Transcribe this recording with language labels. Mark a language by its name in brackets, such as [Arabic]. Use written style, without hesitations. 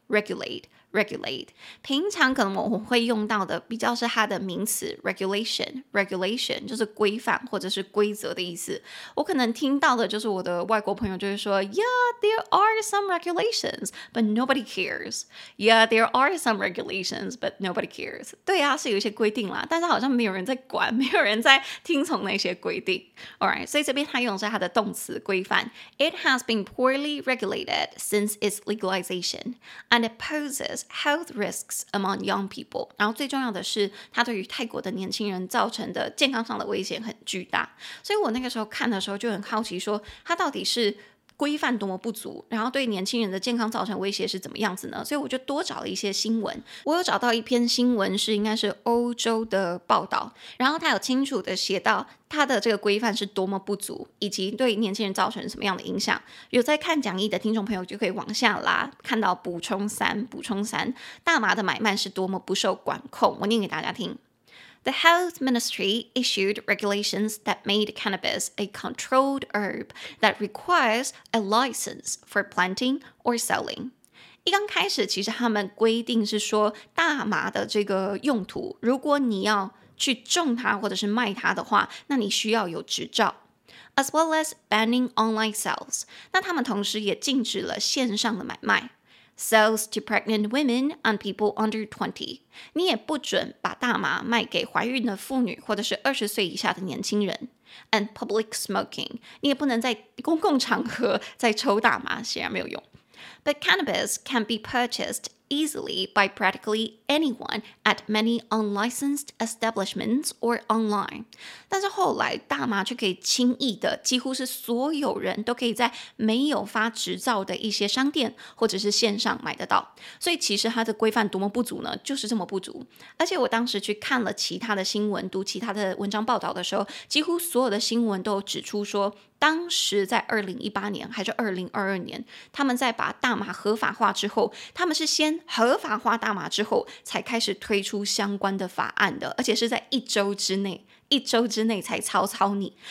[English] regulate. [Chinese] 平常可能我们会用到的比较是它的名词 regulation 就是规范或者是规则的意思。我可能听到的就是我的外国朋友就是说 [English] Yeah, there are some regulations, but nobody cares. Yeah, there are some regulations, but nobody cares. [Chinese] 对啊，是有一些规定啦，但是好像没有人在管，没有人在听从那些规定。 Alright, 所以这边他用的是他的动词规范。 [English] It has been poorly regulated since its legalization, and it poses health risks among young people. [Chinese] 然后最重要的是它对于泰国的年轻人造成的健康上的危险很巨大。所以我那个时候看的时候就很好奇说它到底是规范多么不足，然后对年轻人的健康造成威胁是怎么样子呢？所以我就多找了一些新闻。我有找到一篇新闻是应该是欧洲的报道，然后他有清楚的写到他的这个规范是多么不足，以及对年轻人造成什么样的影响。有在看讲义的听众朋友就可以往下拉，看到补充三，补充三，大麻的买卖是多么不受管控。我念给大家听。 [English] The Health Ministry issued regulations that made cannabis a controlled herb that requires a license for planting or selling. [Chinese] 一刚开始其实他们规定是说大麻的这个用途，如果你要去种它或者是卖它的话，那你需要有执照。 [English] As well as banning online sales. [Chinese] 那他们同时也禁止了线上的买卖。 [English] Sales to pregnant women and people under 20. [Chinese] 你也不准把大麻卖给怀孕的妇女或者是20岁以下的年轻人。 [English] And public smoking. [Chinese] 你也不能在公共场合再抽大麻，显然没有用。 [English] But cannabis can be purchased easily by practically anyone at many unlicensed establishments or online. [Chinese] 但是后来大麻却可以轻易的，几乎是所有人都可以在没有发执照的一些商店或者是线上买得到。所以其实它的规范多么不足呢？就是这么不足。而且我当时去看了其他的新闻，读其他的文章报道的时候，几乎所有的新闻都指出说，当时在2018年还是2022年，他们在把大麻合法化之后，他们是先合法化大麻之后才开始推出相关的法案的，而且是在一周之内，一周之内才草草拟。